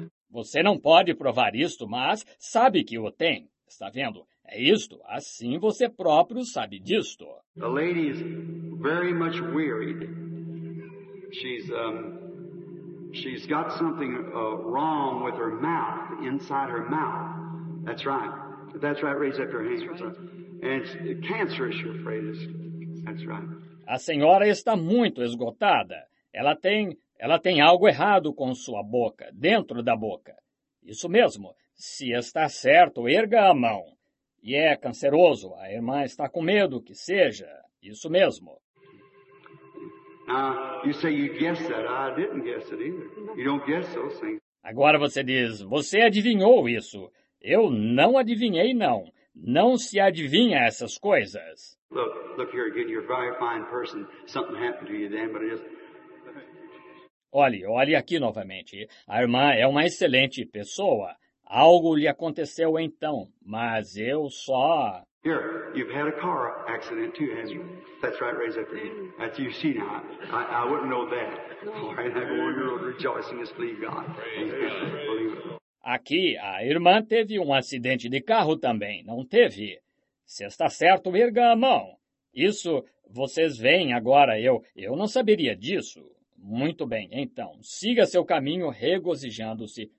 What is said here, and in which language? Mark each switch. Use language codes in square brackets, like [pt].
[pt] Você não pode provar isto, mas sabe que o tem. Está vendo? É isto. Assim você próprio sabe disto. [en] A lady is very much wearied. She's got something wrong with her mouth, inside her mouth. That's right. That's right. Raise up your hand. That's right. And it's cancerous, you're afraid. That's right. [pt] A senhora está muito esgotada. Ela tem algo errado com sua boca, dentro da boca. Isso mesmo. Se está certo, erga a mão. E é canceroso. A irmã está com medo que seja. Isso mesmo. [en] You say you guessed that. I didn't guess it either. You don't guess those things. [pt] Agora você diz, você adivinhou isso. Eu não adivinhei, não. Não se adivinha essas coisas. [en] Look here again. You're a very fine person. Something happened to you then, but it isn't. [pt] Olhe aqui novamente. A irmã é uma excelente pessoa. Algo lhe aconteceu então, mas eu só... [en] Here, you've had a car accident too, haven't you? That's right, raise up your hand. That's you, see now. I wouldn't know that. All right, I want you to rejoice and just believe God. Believe it. [pt] Aqui, a irmã teve um acidente de carro também, não teve? Se está certo, erga a mão. Isso, vocês veem agora, eu não saberia disso. Muito bem, então, siga seu caminho regozijando-se.